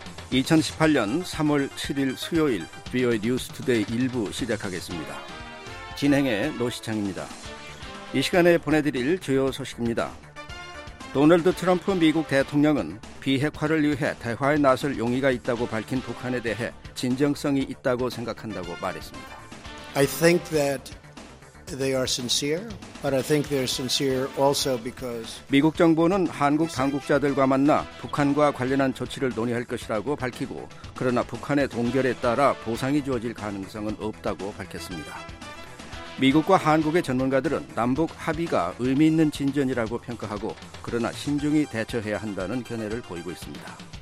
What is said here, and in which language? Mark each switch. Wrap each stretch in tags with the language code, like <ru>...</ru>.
<ko>2018년 3월 7일 수요일 비오에이 뉴스 투데이 1부 시작하겠습니다. 진행의 노시창입니다. 이 시간에 보내드릴 주요 소식입니다. 도널드 트럼프 미국 대통령은 비핵화를 위해 대화에 나설 용의가 있다고 밝힌 북한에 대해 진정성이 있다고 생각한다고 말했습니다.</ko> <en>I think that they are sincere, but I think they're sincere also because</en> <ko>미국 정부는 한국 당국자들과 만나 북한과 관련한 조치를 논의할 것이라고 밝히고 그러나 북한의 동결에 따라 보상이 주어질 가능성은 없다고 밝혔습니다. 미국과 한국의 전문가들은 남북 합의가 의미 있는 진전이라고 평가하고 그러나 신중히 대처해야 한다는 견해를 보이고 있습니다.</ko>